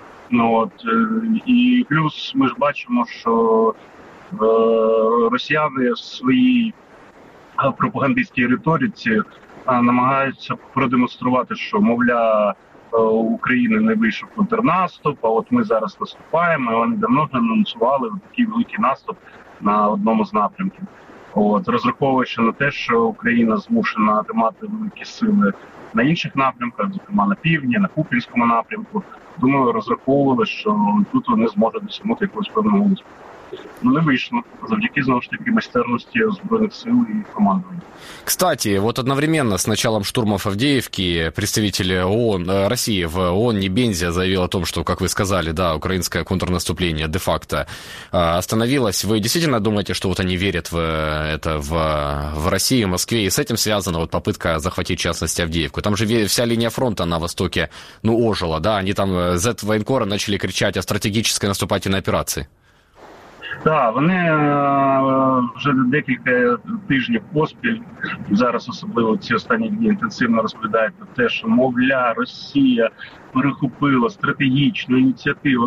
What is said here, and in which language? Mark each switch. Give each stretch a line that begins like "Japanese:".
Ukrainian: Ну, от, і плюс ми ж бачимо, що росіяни в своїй пропагандистській риториці намагаються продемонструвати, що, мовляв, України не вийшов контрнаступ, а от ми зараз наступаємо, і вони давно анонсували такий великий наступ на одному з напрямків. От, розраховуючи на те, що Україна змушена тримати великі сили на інших напрямках, зокрема на півдні, на Куп'янському напрямку, думаю, розраховували, що тут вони зможуть досягнути якогось певного успіху.
Russian: Не вышло.
Ukrainian: Завдяки, знову ж таки,
Russian: мастерности Збройных сил и командования. Кстати, вот одновременно с началом штурмов Авдеевки представитель ООН, России в ООН Небензя заявил о том, что, как вы сказали, да, украинское контрнаступление де-факто остановилось. Вы действительно думаете, что вот они верят в это в России, в Москве? И с этим связана вот попытка захватить, в частности, Авдеевку? Там же вся линия фронта на востоке, ну, ожила, да? Они там Z-военкоры начали кричать о стратегической наступательной операции.
Ukrainian: Так, вони вже декілька тижнів поспіль, зараз особливо ці останні дні інтенсивно розповідають про те, що, мовляв, Росія перехопила стратегічну ініціативу.